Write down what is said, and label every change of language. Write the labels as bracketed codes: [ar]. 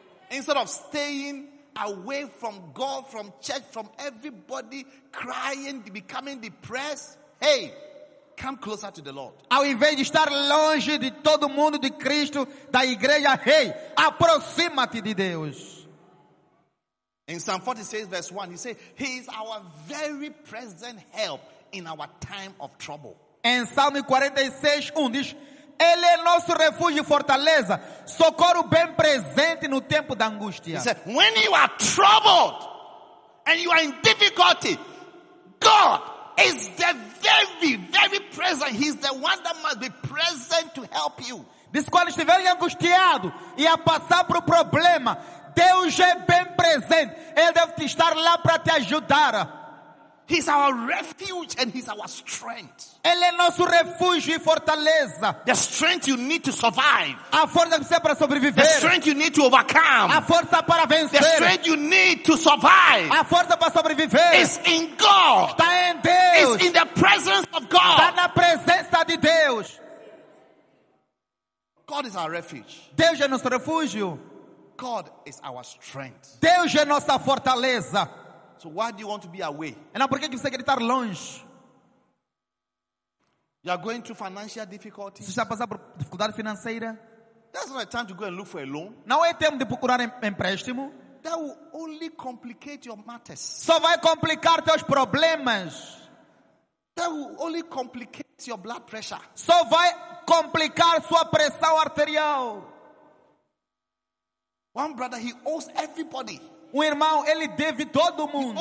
[en] Instead of staying away from God, from church, from everybody, crying, becoming depressed, hey, come closer to the Lord. [pt] Ao invés de estar longe de todo mundo, de Cristo, da igreja, hey, aproxima-te de Deus. [en] In Psalm 46 verse 1, he says, he is our very present help in our time of trouble. [pt] Em Salmo 46, 1 diz, ele é nosso refúgio e fortaleza, socorro bem presente no tempo da angústia. [en] He said, when you are troubled and you are in difficulty, God is the very, very present. He's the one that must be present to help you. [pt] Diz, quando estiver angustiado e a passar por problema, Deus é bem presente. Ele deve estar lá para te ajudar. [en] He's our refuge and he's our strength. [pt] Ele é nosso refúgio e fortaleza. [en] The strength you need to survive. [pt] A força que você precisa para sobreviver. [en] The strength you need to overcome. [pt] A força para vencer. [en] The strength you need to survive. [pt] A força para sobreviver. [en] It's in God. [pt] Está em Deus. [en] It's in the presence of God. [pt] Está na presença de Deus. [en] God is our refuge. [pt] Deus é nosso refúgio. [en] God is our strength. [pt] Deus é nossa fortaleza. [en] So why do you want to be away? [pt] Então por que você quer estar longe? [en] You are going through financial difficulties. [pt] Você está passando por dificuldade financeira? [en] That's not a time to go and look for a loan. [pt] Não é tempo de procurar empréstimo. [en] That will only complicate your matters. [pt] Só vai complicar teus problemas. [en] That will only complicate your blood pressure. [pt] Só vai complicar sua pressão arterial. [en] One brother, he owes everybody. [pt] Um irmão, ele deve todo mundo.